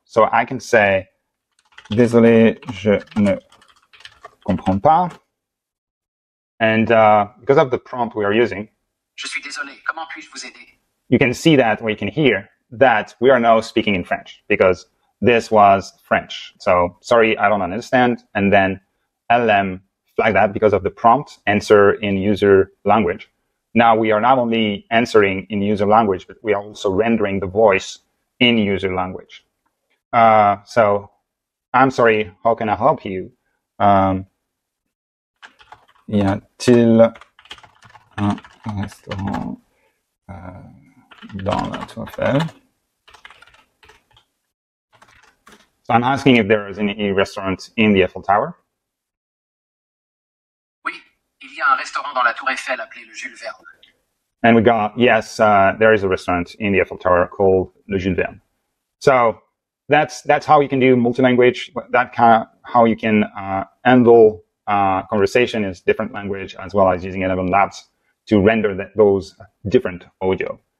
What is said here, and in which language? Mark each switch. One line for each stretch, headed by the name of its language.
English: So I can say,
French: désolé, je ne comprends pas.
English: And because of the prompt we are using,
French: je suis désolé, comment puis-je vous aider?
English: You can see that, or you can hear that we are now speaking in French because this was French. So sorry, I don't understand. And then LLM flagged that because of the prompt, answer in user language. Now we are not only answering in user language, but we are also rendering the voice in user language. So I'm sorry, how can I help you?
French: Y a-t-il un restaurant dans la Tour Eiffel?
English: So I'm asking if there is any restaurant in the Eiffel Tower.
French: Oui, il y a un restaurant dans la Tour Eiffel appelé le Jules Verne.
English: And we got, yes, there is a restaurant in the Eiffel Tower called Le Jules Verne. So that's how you can do multi-language. That kind of how you can handle conversation is different language, as well as using Elevenlabs to render those different audio.